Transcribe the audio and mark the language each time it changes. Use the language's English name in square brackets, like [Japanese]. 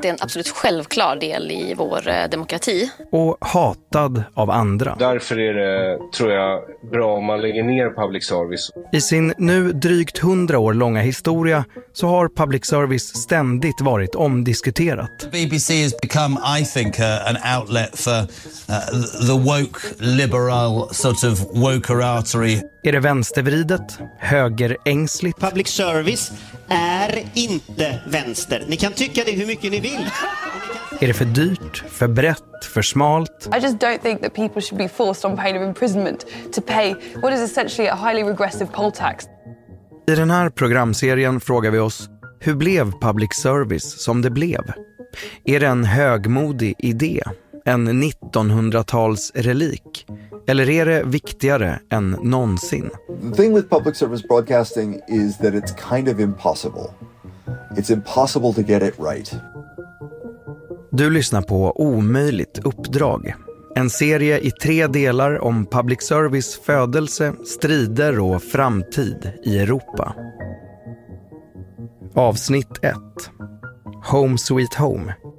[Swedish] Det är en absolut självklar del i vår demokrati. Och hatad av andra. Därför är det, tror jag, bra om man lägger ner public service. I sin nu drygt 100 år långa historia så har public service ständigt varit omdiskuterat. [English] BBC has become, I think, an outlet for the woke liberal sort of wokeratory. [Swedish] Är det vänstervridet? Högerängsligt? Public service är inte vänster. Ni kan tycka det hur mycket ni vill. Är det för dyrt, för brett, för smalt? [English] I just don't think that people should be forced on pain of imprisonment to pay what is essentially a highly regressive poll tax. [Swedish] I den här programserien frågar vi oss, hur blev public service som det blev? Är det en högmodig idé? En 1900-tals relik? Eller är det viktigare än någonsin? [English] The thing with public service broadcasting is that it's kind of impossible. It's impossible to get it right. [Swedish] Du lyssnar på Omöjligt uppdrag. En serie i tre delar om public service födelse, strider och framtid i Europa. Avsnitt 1. Home sweet home.